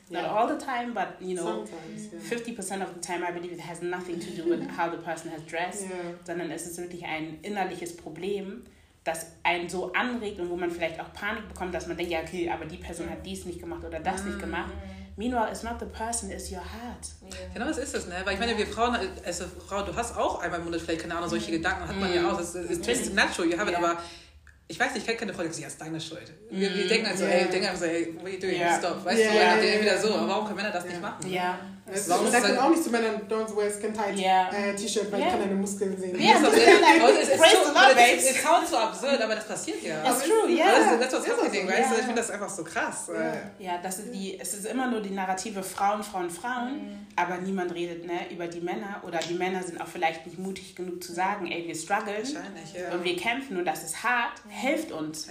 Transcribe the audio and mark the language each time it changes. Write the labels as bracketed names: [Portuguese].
[English] Not all the time, but, you know, 50% of the time, I believe it has nothing to do with how the person has dressed, [German] sondern es ist wirklich ein innerliches Problem, das einen so anregt und wo man vielleicht auch Panik bekommt, dass man denkt, ja, okay, aber die Person hat dies nicht gemacht oder das nicht gemacht. [English] Meanwhile, it's not the person, it's your heart. Yeah. [German] Genau, das ist es, ne? Weil ich meine, wir Frauen, als Frau, du hast auch einmal im Monat vielleicht, keine Ahnung, solche Gedanken hat man ja auch. [English] It's just natural, you have it, [German] aber ich weiß nicht, ich kenne keine Frau, die sagt, ja, ist deine Schuld. Wir denken also, [English] hey, what are you doing? Stop. [German] Weißt du, dann wieder so, warum können Männer das nicht machen? Ja. Man sagt dann auch nicht zu Männern, [English] don't wear skin tight T-Shirt, [German] weil ich kann deine Muskeln sehen. Ja, [English] yeah, [German] so, es ist kaum so absurd, aber das passiert ja. [English] It's true, [German] ja. Das ist was happening, weißt du? Ich finde das einfach so krass. Ja, das ist es ist immer nur die Narrative Frauen, Frauen, Frauen, aber niemand redet über die Männer oder die Männer sind auch vielleicht nicht mutig genug zu sagen, ey, wir strugglen und wir kämpfen und das ist hart, hilft uns.